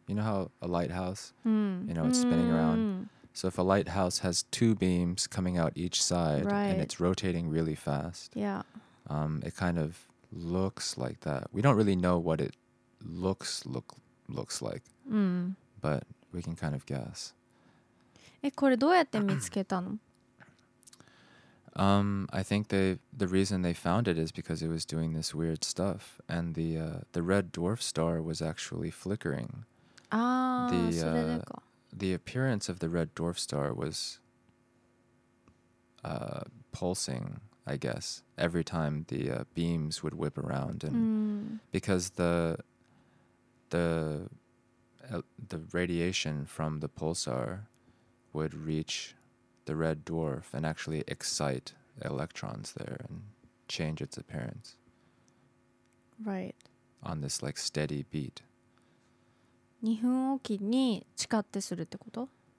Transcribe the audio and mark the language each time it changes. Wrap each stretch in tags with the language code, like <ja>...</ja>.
<en>You know how a lighthouse, you know, it's spinning around. So if a lighthouse has two beams coming out each side, right. and it's rotating really fast, yeah, it kind of looks like that. We don't really know what it looks like. But we can kind of guess.</en> <ja>これどうやって見つけたの?</ja> <en>I think the reason they found it is because it was doing this weird stuff. And the red dwarf star was actually flickering. The appearance of the red dwarf star was pulsing. I guess every time the beams would whip around and because the radiation from the pulsar would reach the red dwarf and actually excite electrons there and change its appearance. Right. On this like steady beat.</en> <ja>2分おきに誓ってするってこと?</ja>